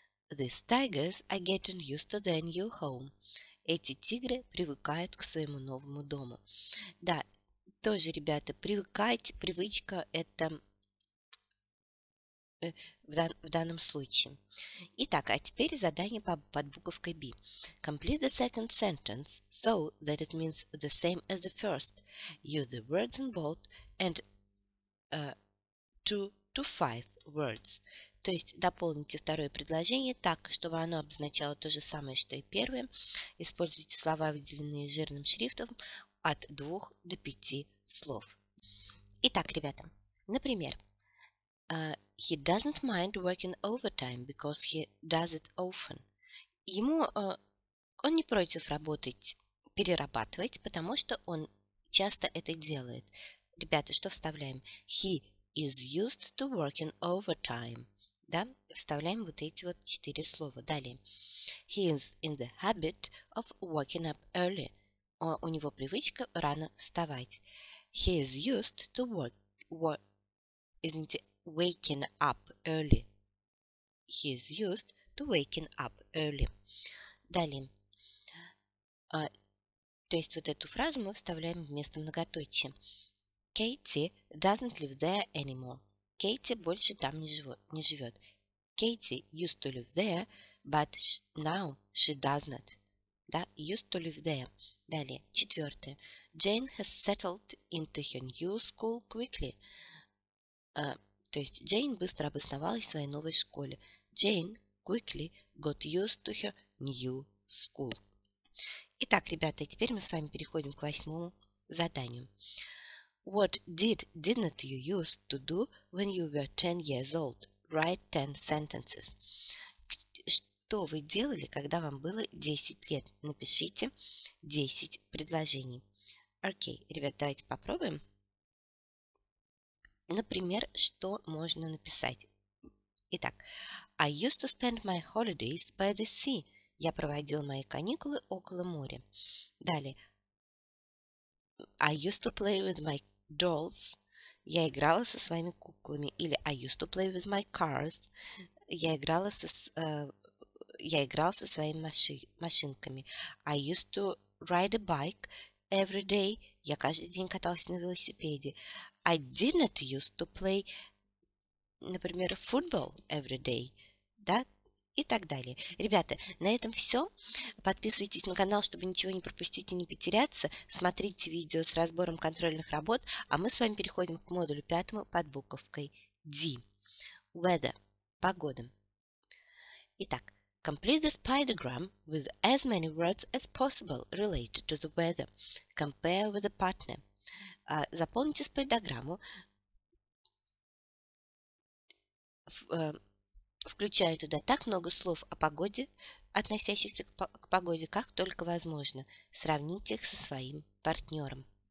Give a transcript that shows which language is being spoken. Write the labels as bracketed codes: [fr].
[en] These tigers are getting used to their new home. [ru] Эти тигры привыкают к своему новому дому. Да, тоже, ребята, привыкать, привычка это в данном случае. Итак, а теперь задание под буковкой B. [en] Complete the second sentence so that it means the same as the first. Use the words in bold and 2 to 5 words. [ru] То есть дополните второе предложение так, чтобы оно обозначало то же самое, что и первое. Используйте слова, выделенные жирным шрифтом, от 2 до 5 слов. Итак, ребята, например, [en] he doesn't mind working overtime because he does it often. [ru] Ему он не против работать, перерабатывать, потому что он часто это делает. Ребята, что вставляем? [en] He is used to working overtime. [ru] Да? Вставляем вот эти вот 4 слова. Далее. [en] He is in the habit of waking up early. [ru] У него привычка рано вставать. [en] He is used to waking up early. He is used to waking up early. [ru] Далее. То есть вот эту фразу мы вставляем вместо многоточия. [en] Katie doesn't live there anymore. Katie [ru] больше там не живет. [en] Katie used to live there, but now she does not. [ru] Да, [en] used to live there. [ru] Далее, четвертое. [en] Jane has settled into her new school quickly. [ru] То есть, Джейн быстро обосновалась в своей новой школе. [en] Jane quickly got used to her new school. [ru] Итак, ребята, теперь мы с вами переходим к 8-му заданию. [en] What didn't you use to do when you were 10 years old? Write 10 sentences. [ru] Что вы делали, когда вам было 10 лет? Напишите 10 предложений. Окей, ребят, давайте попробуем. Например, что можно написать? Итак, [en] I used to spend my holidays by the sea. [ru] Я проводил мои каникулы около моря. Далее, [en] I used to play with my dolls. [ru] Я играла со своими куклами. Или [en] I used to play with my cars. [ru] Я играл со своими машинками. [en] I used to ride a bike every day. [ru] Я каждый день катался на велосипеде. [en] I didn't used to play, [ru] например, [en] football every day. [ru] Да? И так далее. Ребята, на этом все. Подписывайтесь на канал, чтобы ничего не пропустить и не потеряться. Смотрите видео с разбором контрольных работ. А мы с вами переходим к модулю 5 под буковкой D. Weather. Погода. Итак. [en] Complete the spidergram with as many words as possible related to the weather. Compare with the partner. [ru] Заполните спидограмму, включая туда так много слов о погоде, относящихся к погоде, как только возможно. Сравните их со своим партнером.